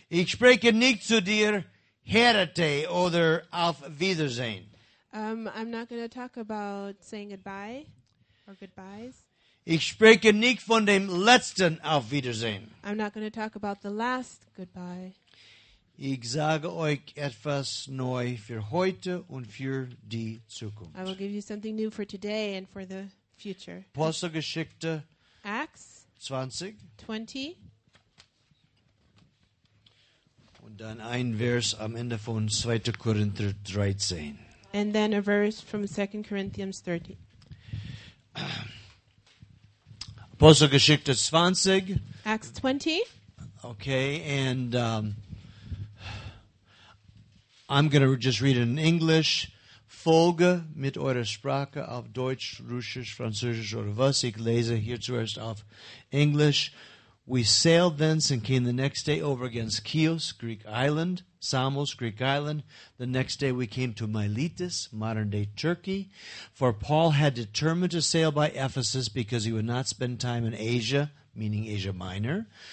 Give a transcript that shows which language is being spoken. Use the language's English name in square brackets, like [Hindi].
[German] Ich spreche nicht zu dir, Herete, oder auf Wiedersehen. [English] I'm not going to talk about saying goodbye or goodbyes. [German] Ich spreche nicht von dem letzten Auf Wiedersehen. [English] I'm not going to talk about the last goodbye. [German] Ich sage euch etwas neu für heute und für die Zukunft. [English] I will give you something new for today and for the future. [German] Apostelgeschichte [English] Acts [German] 20. [English] 20. [German] Und dann ein Vers am Ende von 2. Korinther 13. [English] And then a verse from 2 Corinthians 13. [German] Apostelgeschichte 20. [English] Acts 20. Okay, and I'm going to just read it in English. [German] Folge mit eurer Sprache auf Deutsch, Russisch, Französisch oder was. Ich lese hier zuerst auf Englisch. [English] We sailed thence and came the next day over against Chios, Greek island, Samos, Greek island. The next day we came to Miletus, modern-day Turkey. For Paul had determined to sail by Ephesus because he would not spend time in Asia, meaning Asia Minor.